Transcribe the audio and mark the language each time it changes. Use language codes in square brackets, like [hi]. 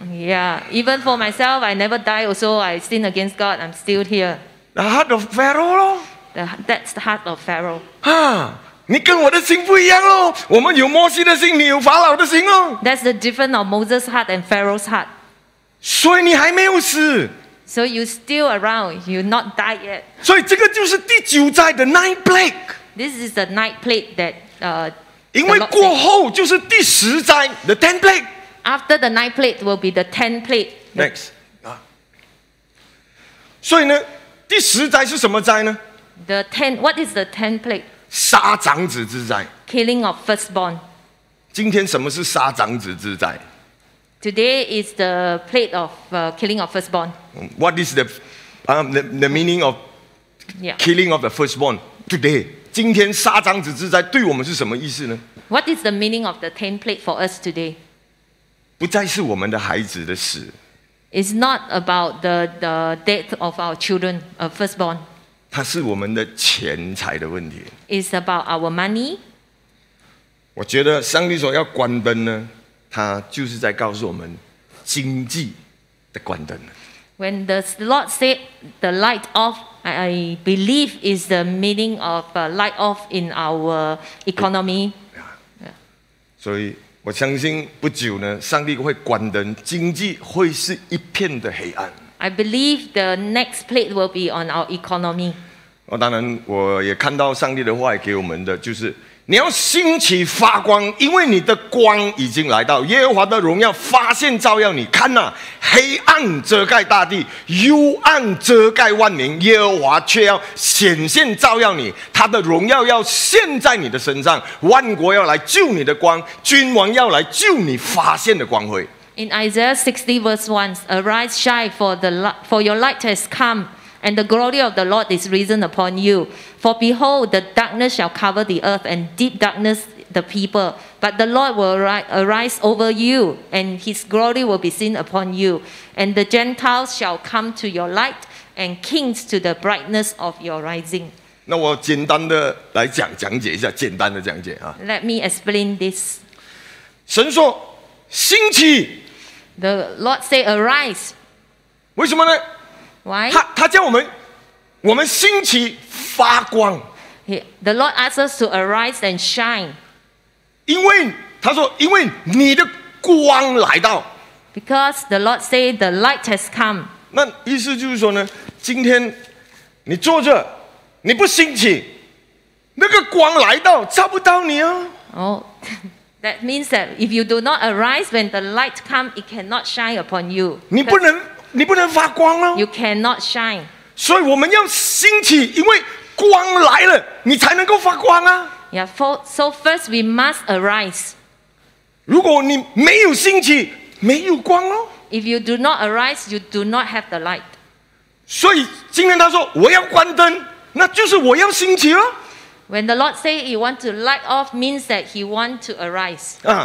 [en] Yeah, even for myself, I never die. Also, I sin against God. I'm still here. The heart of Pharaoh, That's the heart of Pharaoh. [zh] Ah, 你跟我的心不一样喽。我们有摩西的心，你有法老的心哦。 [en] That's the difference of Moses' heart and Pharaoh's heart. [zh] 所以你还没有死。 [en] So you're still around, you're not died yet. [zh] 所以这个就是第九灾的 [en] night plague. This is the night plague that [zh] 因为过后就是第十灾 [en] the ten plague. After the night plague will be the ten plague. Next. [zh] 所以呢，第十灾是什么灾呢？ [en] What is the ten plague? [zh] 杀长子之灾。 [en] Killing of firstborn. [zh] 今天什么是杀长子之灾？ [en] Today is the plate of killing of firstborn. What is the meaning of killing of the firstborn today? [zh] 今天杀长子之灾对我们是什么意思呢？ [en] What is the meaning of the ten plate for us today? [zh] 不再是我们的孩子的死。 [en] It's not about the death of our children, our firstborn. [zh] 它是我们的钱财的问题。 [en] It's about our money. [zh] 我觉得上帝所要关灯呢。他就是在告诉我们经济的关灯。 [en] When the Lord said the light off, I believe is the meaning of light off in our economy. Yeah. [zh] 所以我相信不久呢，上帝会关灯，经济会是一片的黑暗。 [en] I believe the next plate will be on our economy. [zh] 当然，我也看到上帝的话给我们的就是。你要兴起发光，因为你的光已经来到。耶和华的荣耀发现照耀你。看啊，黑暗遮盖大地，幽暗遮盖万民，耶和华却要显现照耀你。他的荣耀要现在你的身上，万国要来救你的光，君王要来救你发现的光辉。 [en] In Isaiah 60 verse 1, Arise, shine, for your light has come. And the glory of the Lord is risen upon you. For behold, the darkness shall cover the earth, and deep darkness the people. But the Lord will arise over you, and his glory will be seen upon you. And the Gentiles shall come to your light, and kings to the brightness of your rising. [zh] 那我简单的来讲解一下，简单的讲解啊。 [en] Let me explain this. [zh] 神说，兴起。 [en] The Lord say, arise. [zh] 为什么呢？ [en] Why? [zh] 他叫我们兴起发光。 [en] The Lord asks us to arise and shine. [zh] 因为他说，因为你的光来到。 [en] Because the Lord say the light has come. [zh] 那意思就是说呢，今天你坐着，你不兴起，那个光来到照不到你啊。 [en] Oh, that means that if you do not arise when the light come, it cannot shine upon you. [zh] 你不能发光哦。 [en] You cannot shine. [zh] 所以我们要兴起，因为光来了，你才能够发光啊。 [en] Yeah, so first we must arise. [zh] 如果你没有兴起，没有光哦。 [en] If you do not arise, you do not have the light. [zh] 所以今天他说我要关灯，那就是我要兴起哦。 [en] When the Lord say he want to light off, means that he want to arise.